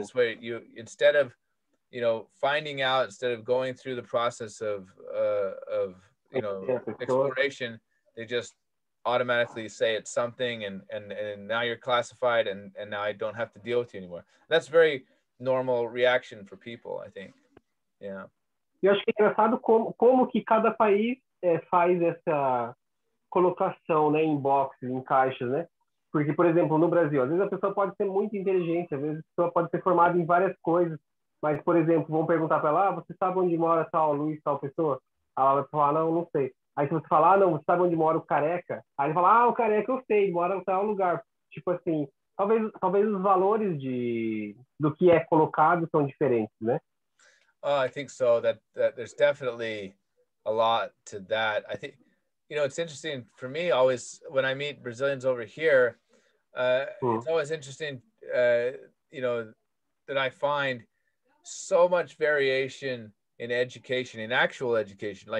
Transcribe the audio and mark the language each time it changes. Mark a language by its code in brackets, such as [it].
[en] It's where you, instead of, you know, finding out, instead of going through the process of, you know, exploration, they just automatically say it's something, and now you're classified, and now I don't have to deal with you anymore. That's a very normal reaction for people, I think. Yeah. [pt] Eu acho que é engraçado como que cada país faz essa colocação, né, em boxes, em caixas, né? Porque, por exemplo, no Brasil, às vezes a pessoa pode ser muito inteligente, às vezes a pessoa pode ser formada em várias coisas, mas, por exemplo, vão perguntar para ela: ah, você sabe onde mora tal Luiz, tal pessoa? Ela vai falar: não, não sei. Aí se você falar: ah, não, você sabe onde mora o Careca? Aí ele fala: ah, o Careca eu sei, mora em tal lugar. Tipo assim, talvez os valores do que é colocado são diferentes, né? [en] Oh, I think so. That there's definitely a lot to that. I think, you know, it's interesting for me always when I meet Brazilians over here, it's always interesting, you know, that I find so much variation in education, in actual education.